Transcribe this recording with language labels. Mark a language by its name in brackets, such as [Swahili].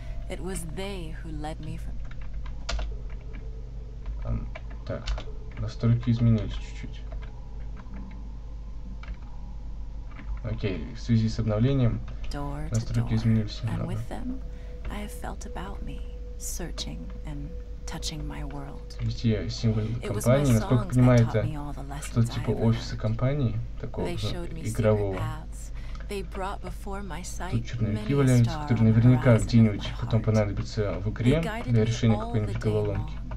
[English] It was they who led me from... [Russian] так, настройки изменились чуть-чуть. Окей, в связи с обновлением настройки изменились немного. [English] And with them, I have felt about me, searching and touching my world. [Russian] Везде символы компании, насколько понимаю, это что-то типа офиса компании, такого игрового. Тут черновики валяются, которые наверняка где-нибудь потом понадобятся в игре для решения какой-нибудь головоломки.